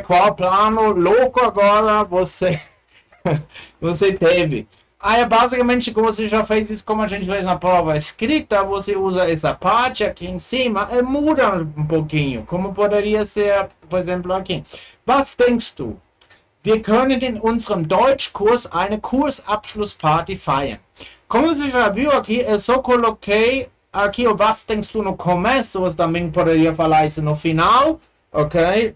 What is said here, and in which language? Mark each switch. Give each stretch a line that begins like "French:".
Portuguese: Qual plano louco agora você, você teve? Aí, basicamente, como você já fez isso, como a gente fez na prova escrita, você usa essa parte aqui em cima e muda um pouquinho, como poderia ser, por exemplo, aqui.
German: Was denkst du? Wir können in unserem Deutschkurs eine Kursabschlussparty feiern.
Portuguese: Como você já viu aqui, eu só coloquei aqui o
German: was denkst du
Portuguese: no começo, você também poderia falar isso no final, ok?